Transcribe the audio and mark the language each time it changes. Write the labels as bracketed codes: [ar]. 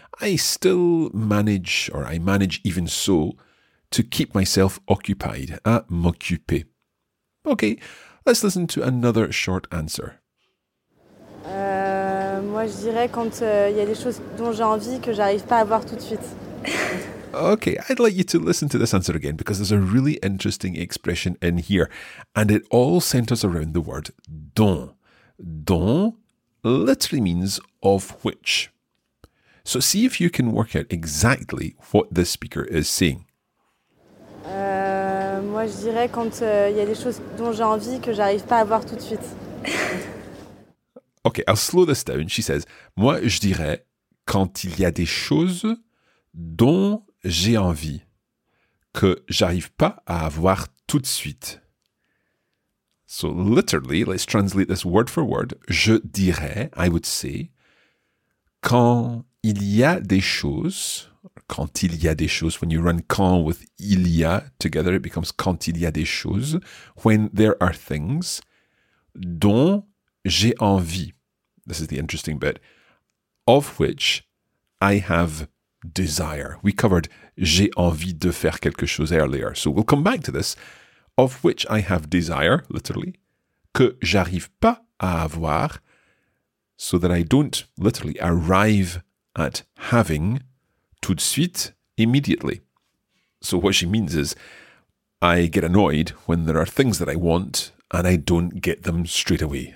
[en] I still manage, or I manage even so, to keep myself occupied, [fr] à m'occuper. [en] Okay, let's listen to another short answer. [fr] Moi, je dirais quand il y a des choses dont j'ai envie que j'arrive pas à voir tout de suite. [en] Okay, I'd like you to listen to this answer again because there's a really interesting expression in here and it all centers around the word dont. Dont literally means of which. So see if you can work out exactly what this speaker is saying. [fr] Moi, je dirais quand il y a des choses dont j'ai envie que j'arrive pas à voir tout de suite. [en] Okay, I'll slow this down. She says, [fr] moi, je dirais quand il y a des choses dont j'ai envie que j'arrive pas à avoir tout de suite. [en] So literally, let's translate this word for word. [fr] Je dirais, [en] I would say, [fr] quand il y a des choses, quand il y a des choses, [en] when you run quand with il y a together, it becomes [fr] quand il y a des choses, [en] when there are things [fr] dont j'ai envie. [en] This is the interesting bit. Of which I have desire. We covered [fr] j'ai envie de faire quelque chose [en] earlier. So we'll come back to this. Of which I have desire, literally, [fr] que j'arrive pas à avoir, [en] so that I don't literally arrive at having [fr] tout de suite, [en] immediately. So what she means is, I get annoyed when there are things that I want and I don't get them straight away.